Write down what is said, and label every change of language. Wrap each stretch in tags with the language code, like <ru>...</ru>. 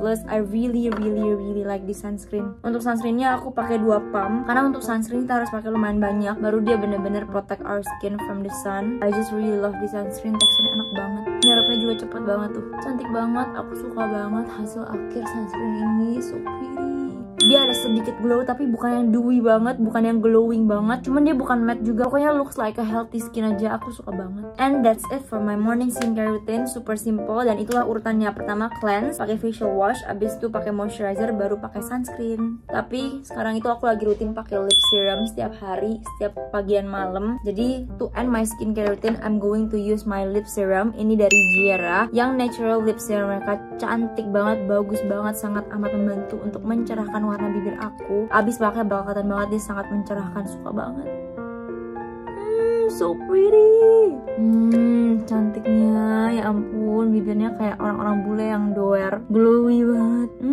<en>I really really really like this sunscreen.</en> <id>Untuk sunscreennya aku pakai 2 pump, karena untuk sunscreen kita harus pakai lumayan banyak, baru dia bener-bener</id> <en>protect our skin from the sun. I just really love this sunscreen.</en> <id>Teksturnya enak banget, nyerapnya juga cepet banget tuh. Cantik banget, aku suka banget hasil akhir sunscreen ini.</id> <en>So pretty.</en> <id>Dia ada sedikit glow, tapi bukan yang dewy banget, bukan yang glowing banget. Cuman dia bukan matte juga, pokoknya</id> <en>looks like a healthy skin</en> <id>aja. Aku suka banget.</id> <en>And that's it for my morning skincare routine, super simple.</en> <id>Dan itulah urutannya, pertama cleanse, pakai facial wash, abis itu pakai moisturizer, baru pakai sunscreen. Tapi sekarang itu aku lagi rutin pakai lip serum setiap hari, setiap pagi dan malam. Jadi</id> <en>to end my skincare routine, I'm going to use my lip serum.</en> <id>Ini dari Jiera, yang natural lip serum mereka. Cantik banget, bagus banget, sangat amat membantu untuk mencerahkan warna bibir aku. Abis pakai bakatan banget, dia sangat mencerahkan, suka banget.</id> <en>So pretty.</en> <id>Cantiknya, ya ampun, bibirnya kayak orang-orang bule yang doer, glowy banget.</id>